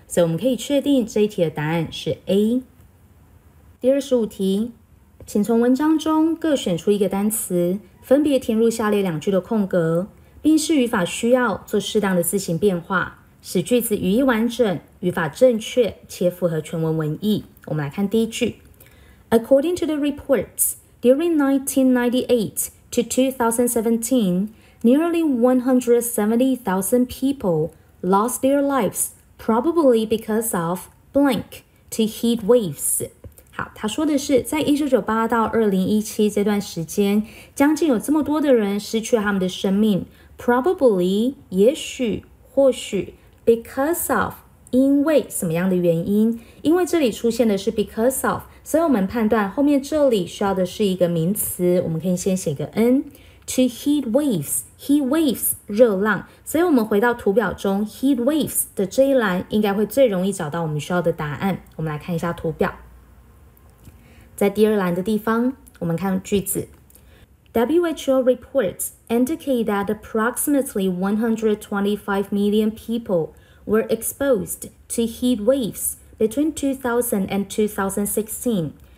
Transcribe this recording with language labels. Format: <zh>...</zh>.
<zh>所以我们可以确定这一题的答案是 A。第25题，请从文章中各选出一个单词，分别填入下列两句的空格，并视语法需要做适当的字形变化，使句子语义完整，语法正确，且符合全文文意。我们来看第一句。</zh> <en>According to the reports, during 1998 to 2017, nearly 170,000 people lost their lives, probably because of blank to heat waves.</en> <zh>好，他说的是在1998到2017这段时间，将近有这么多的人失去他们的生命， probably 也许或许 because of 因为什么样的原因，因为这里出现的是 because of， 所以我们判断后面这里需要的是一个名词，我们可以先写个 n to heat waves， heat waves 热浪，所以我们回到图表中 heat waves 的这一栏应该会最容易找到我们需要的答案。我们来看一下图表，在第二栏的地方，我们看句子。</zh> <en>WHO reports indicate that approximately 125 million people were exposed to heat waves between 2000 and 2016.</en>